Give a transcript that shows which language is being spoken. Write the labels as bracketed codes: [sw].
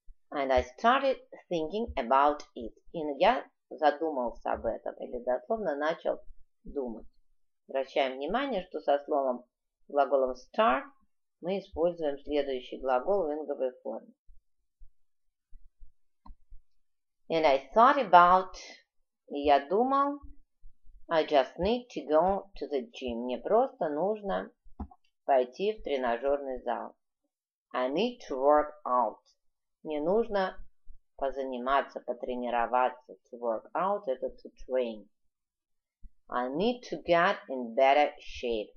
[en] And I started thinking about it. [ru] И я задумался об этом, или дословно начал думать. Обращаем внимание, что со словом, глаголом start, мы используем следующий глагол в инговой форме. [en] And I thought about, [ru] и я думал, [en] I just need to go to the gym. [ru] Мне просто нужно пойти в тренажерный зал. [en] I need to work out. [ru] Мне нужно позаниматься, потренироваться. [en] To work out, это to train. I need to get in better shape.